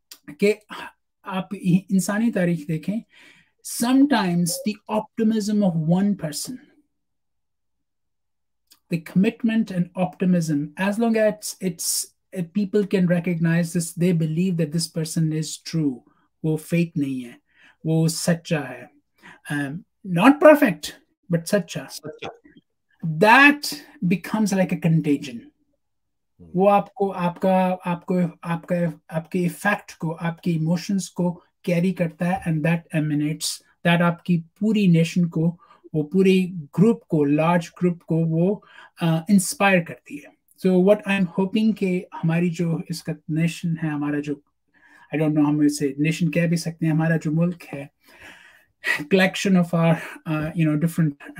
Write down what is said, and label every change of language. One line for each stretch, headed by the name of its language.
English: Okay,
Hindi: aap insani tareek dekhein,
English: sometimes the optimism of one person, the commitment and optimism, as long as it's people can recognize this, they believe that this person is true,
Hindi: wo fake nahi hai, wo sacha hai,
English: not perfect but sacha, that becomes like a contagion.
Hindi: वो आपको आपका आपको आपका आपके effect को आपके emotions को carry करता है
English: and that emanates that
Hindi: आपकी पूरी नेशन को वो पूरे ग्रुप को लार्ज ग्रुप को वो इंस्पायर करती है.
English: so what I am hoping
Hindi: के हमारी जो इसका नेशन है हमारा जो
English: I don't know
Hindi: हम इसे नेशन कह भी सकते हैं हमारा जो मुल्क है
English: collection of uh you know different